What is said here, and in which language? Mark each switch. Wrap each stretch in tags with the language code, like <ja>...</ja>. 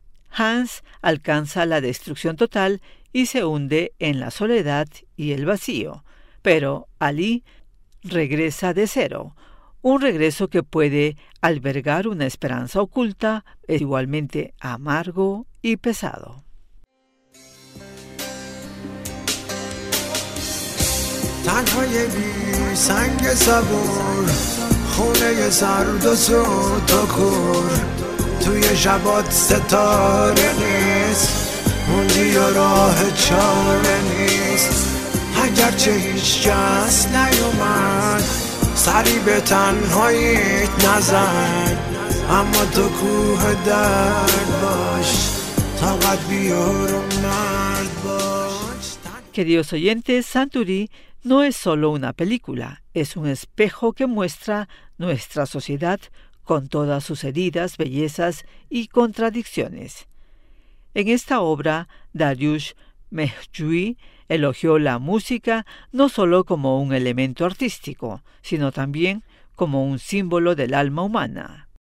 <es>Hans alcanza la destrucción total y se hunde en la soledad y el vacío. Pero Ali regresa de cero. Un regreso que puede albergar una esperanza oculta, es igualmente amargo y pesado.</es> <fa>تنهای بی سنگ سبور خونه سرد و سود و کور توی شبات ستاره نیست موندی و راه چاره نیست اگرچه هیچ کس نیومد سری به تنهاییت نزد اما تو کوه درد باش تا قد بیارم مرد باش.</fa> <es>Queridos oyentes, Santorí no es solo una película, es un espejo que muestra nuestra sociedad con todas sus heridas, bellezas y contradicciones. En esta obra, Dariush Mehrjui elogió la música no solo como un elemento artístico, sino también como un símbolo del alma humana.</es>